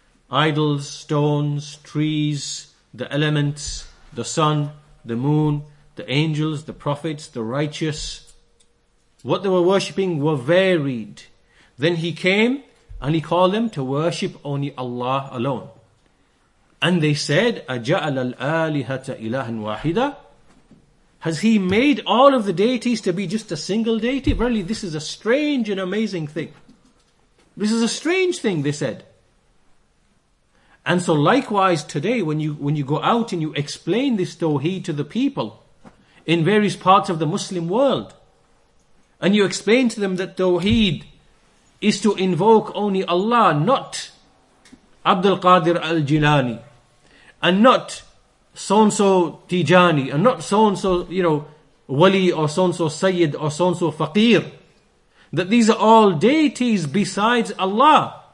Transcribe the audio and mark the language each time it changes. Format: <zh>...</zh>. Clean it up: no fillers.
<en>Idols, stones, trees, the elements, the sun, the moon, the angels, the prophets, the righteous. What they were worshipping were varied. Then he came And he called them to worship only Allah alone. And they said,</en> <ar>أَجَعَلَ الْآلِهَةَ إِلَهًا وَاحِدًا.</ar> <en>Has he made all of the deities to be just a single deity? Really, this is a strange and amazing thing. This is a strange thing, they said. And so likewise today, when you go out and you explain this Tawheed to the people in various parts of the Muslim world, and you explain to them that Tawheed is to invoke only Allah, not Abdul Qadir al-Jilani, and not so-and-so Tijani, and not so-and-so, you know, Wali, or so-and-so Sayyid, or so-and-so Faqir, that these are all deities besides Allah.</en>